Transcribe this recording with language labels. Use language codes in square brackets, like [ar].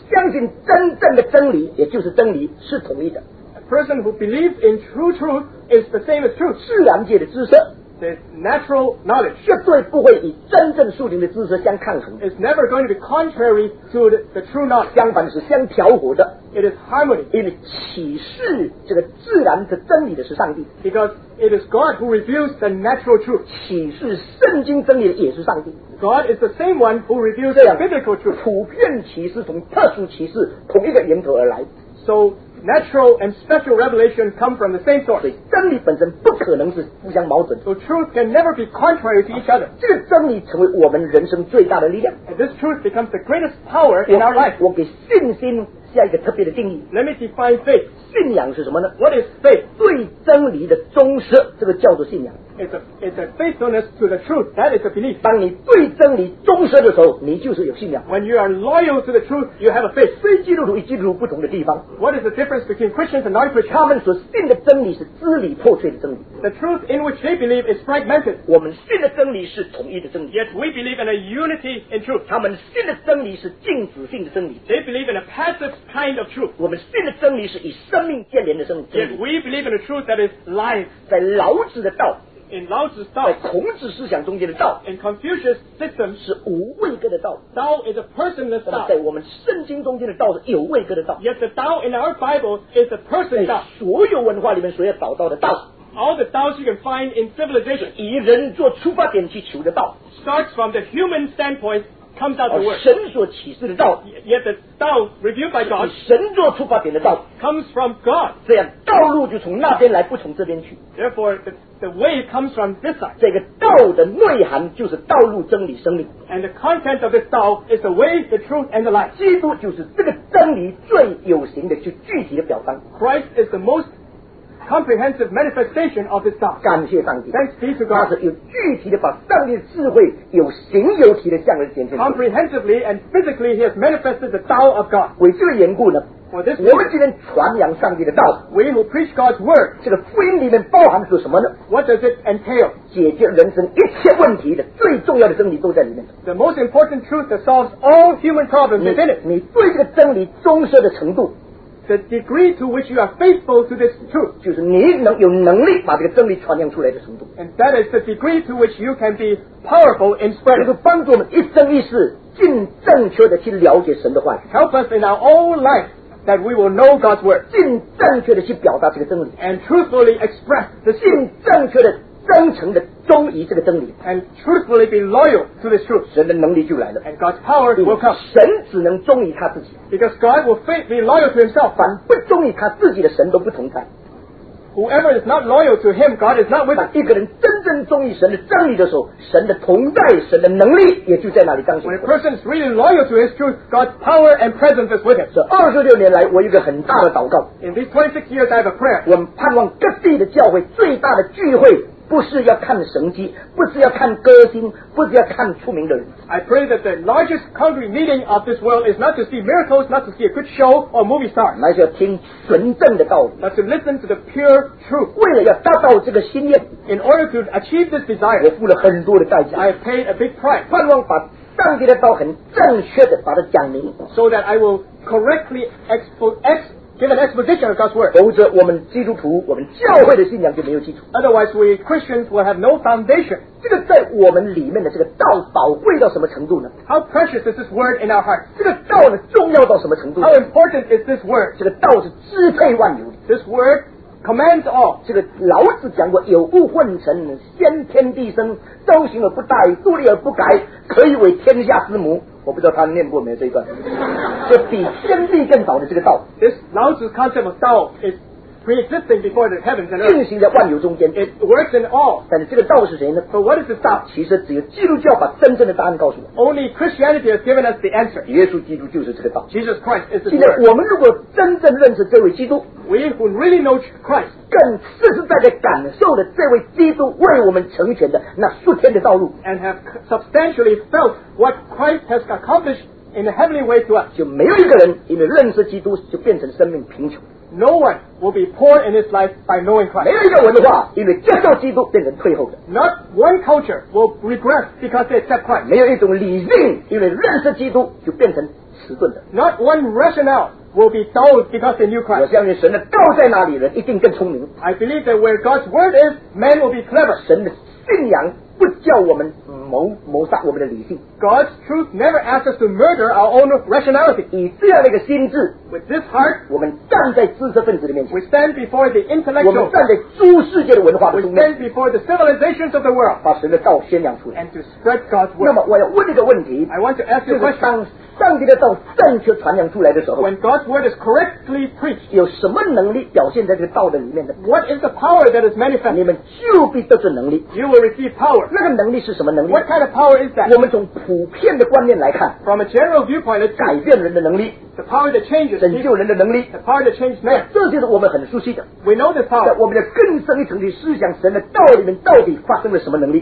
[zh] 相信真正的真理，也就是真理，是统一的。 [en] A person who believes in true truth is the same as truth. [zh] 自然界的知识。 [en] This natural knowledge [zh] 绝对不会与真正属灵的知识相抗衡。 [en] It's never going to be contrary to the true knowledge. [zh] 相反是相调和的。 [en] It is harmony. [zh] 因为启示这个自然的真理的是上帝。 [en] Because it is God who reveals the natural truth. [zh] 启示圣经真理的也是上帝。 [en] God is the same one who reveals the biblical truth. [zh] 普遍启示同特殊启示同一个源头而来。 [en] So. Natural and special revelation come from the same source. [zh] 真理本身不可能是互相矛盾。 [en] So truth can never be contrary to each other. [zh] 这个真理成为我们人生最大的力量。 [en] And this truth becomes the greatest power in our life. [zh] 我给信心下一个特别的定义。 [en] Let me define faith. [zh] 信仰是什么呢？ [en] What is faith? [zh] 对真理的忠实，这个叫做信仰。 [en] It's a faithfulness to the truth. That is a belief. [zh] 当你对真理忠实的时候，你就是有信仰。 [en] When you are loyal to the truth, you have a faith. [zh] 非基督徒与基督徒不同的地方。 [en] What is the difference between Christians and non-Christians? [zh] 他们所信的真理是支离破碎的真理。 [en] The truth in which they believe is fragmented. [zh] 我们信的真理是统一的真理。 [en] Yet we believe in a unity in truth. [zh] 他们信的真理是静止性的真理。 [en] They believe in a passive kind of truth. [zh] 我们信的真理是与生命建连的真理。 [en] Yet we believe in a truth that is life. [zh] 在老子的道。 [en] In Lao Tzu's 道， [zh] 在孔子思想中间的道 [en] ，In Confucius' system [zh] 是无位格的道 [en] ，Tao is a personless 道。 [zh] 在我们圣经中间的道是有位格的道 [en] ，Yet the Tao in our Bible is a personless 道。 [zh] 所有文化里面所要找到的道 [en] ，All the Taos you can find in civilization [zh] 以人做出发点去求的道 [en] ，Starts from the human standpoint。 Comes out the word. [zh] 神所启示的道 [en] Yet the 道 revealed by God [zh] 神作出发点的道 [en] Comes from God [zh] 这样道路就从那边来不从这边去 [en] Therefore the way comes from this side [zh] 这个道的内涵就是道路真理生命 [en] And the content of this 道 is the way, the truth, and the life [zh] 基督就是这个真理最有形的就具体的表彰 [en] Christ is the most comprehensive manifestation of this 道 [zh] 感谢上帝 [en] Thanks be to God [zh] 他是有具体的把上帝的智慧有形有体的向人显现 [en] Comprehensively and physically he has manifested the 道 of God [zh] 为这个缘故呢 [en] For this [zh] 我们今天传扬上帝的道 [en] We who preach God's word [zh] 这个福音里面包含是什么呢 [en] What does it entail [zh] 解决人生一切问题的最重要的真理都在里面 [en] The most important truth that solves all human problems is in it [zh] 你对这个真理忠实的程度 [en] The degree to which you are faithful to this truth, [zh] 就是你能有能力把这个真理传扬出来的程度。 [en] And that is the degree to which you can be powerful in spreading. [zh] 就是帮助我们一生一世尽正确的去了解神的话语。 [en] Help us in our own life that we will know God's word. [zh] 尽正确的去表达这个真理。 [en] And truthfully express the truth. [zh] 尽正确的真诚的忠于这个真理。 [en] And truthfully be loyal to this truth. [zh] 神的能力就来了。 [en] And God's power will come. [zh] 神只能忠于他自己。 [en] Because God will faithfully be loyal to himself. [zh] 凡不忠于他自己的神都不同在。 [en] Whoever is not loyal to him, God is not with him. [zh] 一个人真正忠于神的真理的时候，神的同在，神的能力也就在那里彰显。 [en] When a person is really loyal to his truth, God's power and presence is with him. [zh] 这26年来，我有一个很大的祷告。 [en] In these 26 years, I have a prayer. [zh] 我们盼望各地的教会最大的聚会。不是要看神迹，不是要看歌星，不是要看出名的人。 [en] I pray that the largest country meeting of this world is not to see miracles, not to see a good show or movie star. [zh] 那是要听纯正的道理。 [en] But to listen to the pure truth. [zh] 为了要达到这个心愿 [en] ，In order to achieve this desire, [zh] 我付了很多的代价。 [en] I paid a big price. [zh] 盼望把上帝的道很正确的把它讲明 [en] ，So that I will correctly give an exposition of God's word. [zh] 否则我们基督徒，我们教会的信仰就没有基础。 [en] Otherwise, we Christians will have no foundation. [zh] 这个在我们里面的这个道宝贵到什么程度呢？ [en] How precious is this word in our heart? [zh] 这个道呢重要到什么程度？ [en] How important is this word? [zh] 这个道是支配万有的。 [en] This word commands all. [zh] 这个老子讲过，有物混成，先天地生，周行而不殆，独立而不改，可以为天下之母。我不知道他念过没有这一段，这比天地更早的这个道。 [en] This Lao Tzu's concept of Tao is pre-existing before the heavens and earth. [zh] 运行在万有中间。 [en] It works in all. [zh] 但是这个道是谁呢？ [en] So what is this Tao? [zh] 其实只有基督教把真正的答案告诉我。 [en] Only Christianity has given us the answer. [zh] 耶稣基督就是这个道。 [en] Jesus Christ is the. [zh] 今天我们如果真正认识这位基督， [en] We who really know Christ, [zh] 更实实在在感受了这位基督为我们成全的那数天的道路， [en] and have substantially felt what Christ has accomplished in a heavenly way to us, [zh] 就没有一个人因为认识基督就变成生命贫穷。 [en] No one will be poor in his life by knowing Christ. [zh] 没有一个文化因为接受基督变成退后的。 [en] Not one culture will regress because they accept Christ. [zh] 没有一种理性因为认识基督就变成迟钝的。 [en] Not one rationale will be dulled because they knew Christ. [zh] 我相信神的道在哪里，人一定更聪明。 [en] I believe that where God's word is, man will be clever. [zh] 神的信仰不叫我们谋杀我们的理性。 [en] God's truth never asks us to murder our own rationality. [zh] 以这样的一个心智， [en] with this heart, [zh] 我们站在知识分子的面前， [en] we stand before the intellectual, [zh] 我们站在诸世界的文化的中间， [en] we stand before the civilizations of the world, [zh] 把神的道宣扬出来， [en] and to spread God's word. [zh] 那么我要问一个问题， [en] I want to ask you a question. [zh] 就是当上帝的道正确传扬出来的时候， [en] when God's word is correctly preached, [zh] 有什么能力表现在这个道的里面呢？ [en] What is the power that is manifest? [zh] 你们就必得着能力， [en] you will receive power. [zh] 那个能力是什么能力？ [en] What kind of power is that? [zh] 我们从普遍的观念来看， [en] From a general viewpoint, [zh] 改变人的能力， [en] The power that changes, [zh] 拯救人的能力， [en] The power that changes man, [zh] 这就是我们很熟悉的。 [en] We know this power. [zh] 在我们的更深一层的思想，神的道里面到底发生了什么能力？